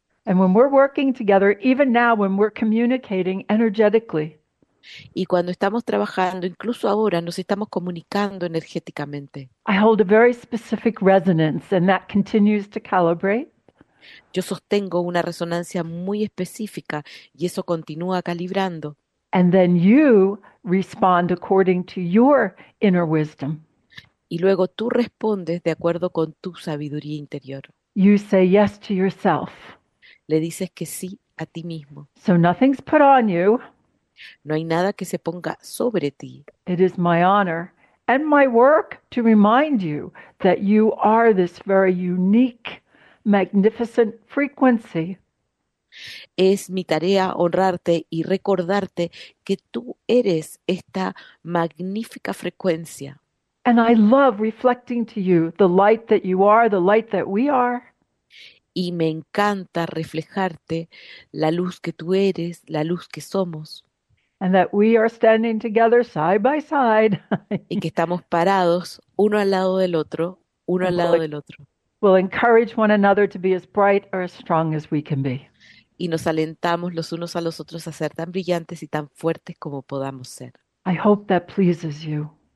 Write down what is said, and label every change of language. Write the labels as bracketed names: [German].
[English] And when we're working together, even now when we're communicating energetically, [Spanish] Y cuando estamos trabajando, incluso ahora, nos estamos comunicando energéticamente. [English] I hold a very specific resonance and that continues to calibrate. [Spanish] Yo sostengo una resonancia muy específica y eso continúa calibrando. [English] And then you respond according to your inner wisdom. [Spanish] Y luego tú respondes de acuerdo con tu sabiduría interior. [English] You say yes to yourself. [Spanish] Le dices que sí a ti mismo. [English] So nothing's put on you. [Spanish] No hay nada que se ponga sobre ti. [English] It is my honor and my work to remind you that you are this very unique, magnificent frequency. [Spanish] Es mi tarea honrarte y recordarte que tú eres esta magnífica frecuencia. [English] And I love reflecting to you the light that you are, the light that we are. [Spanish] Y me encanta reflejarte la luz que tú eres, la luz que somos. [English] And that we are standing together side by side, [Spanish] Y que estamos parados uno al lado del otro, uno al lado del otro. [English] we'll encourage one another to be as bright or as strong as we can be. [Spanish] Y nos alentamos los unos a los otros a ser tan brillantes y tan fuertes como podamos ser. [English] I hope that pleases you.